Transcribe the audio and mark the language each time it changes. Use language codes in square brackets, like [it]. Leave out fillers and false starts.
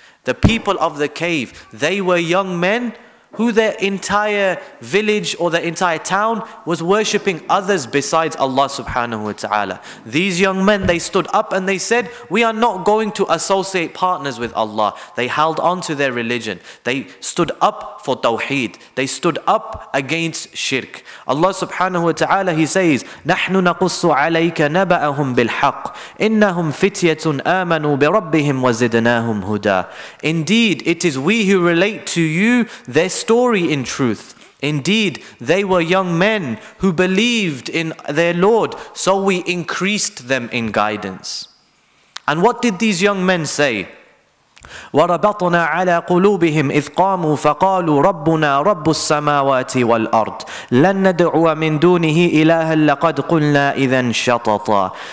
[en] The people of the cave, they were young men who their entire village or their entire town was worshipping others besides Allah subhanahu wa ta'ala. These young men, they stood up and they said, we are not going to associate partners with Allah. They held on to their religion. They stood up for tawheed. They stood up against shirk. [ar] Allah subhanahu wa ta'ala, [en] he says, [ar] نَحْنُ نَقُصُّ عَلَيْكَ نَبَأَهُمْ بِالْحَقِّ إِنَّهُمْ فِتْيَةٌ آمَنُوا بِرَبِّهِمْ وَزِدْنَاهُمْ هُدَى. [en] Indeed, it is we who relate to you their story in truth. Indeed, they were young men who believed in their Lord, so we increased them in guidance. And what did these young men say? [ar] وَرَبَطْنَا عَلَىٰ قُلُوبِهِمْ إِذْ قَامُوا فَقَالُوا رَبُّنَا رَبُّ السَّمَاوَاتِ وَالْأَرْضِ لَن نَدْعُوَ مِن دُونِهِ إِلَٰهًا لَقَدْ قُلْنَا إِذًا شَطَطًا.